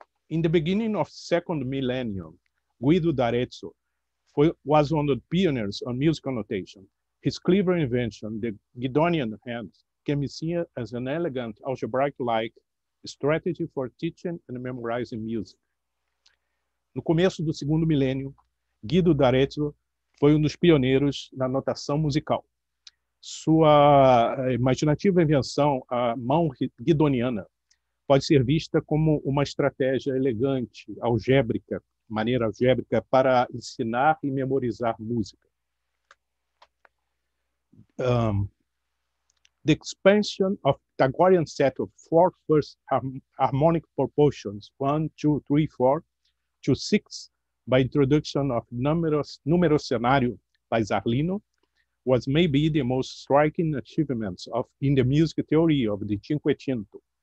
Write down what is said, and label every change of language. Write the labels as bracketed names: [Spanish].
[English] In the beginning of the second millennium, Guido d'Arezzo was one of the pioneers on musical notation. His clever invention, the Guidonian hand, can be seen as an elegant algebraic-like strategy for teaching and memorizing music. [Portuguese] No começo do segundo milênio, Guido d'Arezzo foi um dos pioneiros na notação musical. Sua imaginativa invenção, a mão guidoniana, pode ser vista como uma estratégia elegante, algébrica, maneira algébrica para ensinar e memorizar música. [English] The expansion of Pythagorean set of four first harmonic proportions, 1, 2, 3, 4, to 6, by introduction of numerous scenario by Zarlino, was maybe the most striking achievements in the music theory of the Cinquecento.